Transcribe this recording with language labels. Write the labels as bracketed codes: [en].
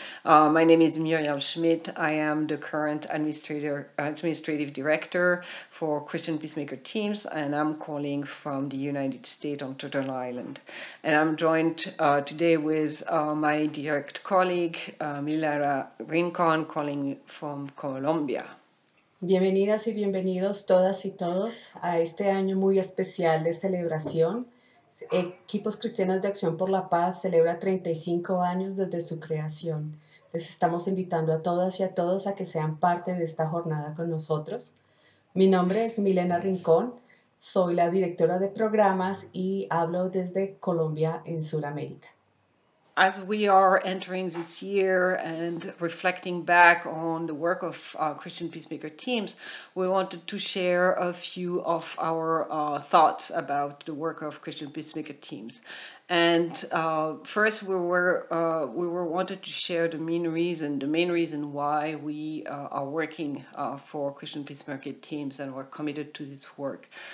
[en] My name is Muriel Schmidt. I am the current administrative director for Christian Peacemaker Teams, and I'm calling from the United States on Turtle Island. And I'm joined today with my direct colleague, Milara Rincon, calling from Colombia. [es] Bienvenidas y bienvenidos todas y todos a este año muy especial de celebración. Equipos Cristianos de Acción por la Paz celebra 35 años desde su creación. Les estamos invitando a todas y a todos a que sean parte de esta jornada con nosotros. Mi nombre es Milena Rincon, soy la directora de programas y hablo desde Colombia en Sudamérica. [en] As we are entering this year and reflecting back on the work of Christian Peacemaker Teams, we wanted to share a few of our thoughts about the work of Christian Peacemaker Teams. And first, we wanted to share the main reason why we are working for Christian Peacemaker Teams and we're committed to this work.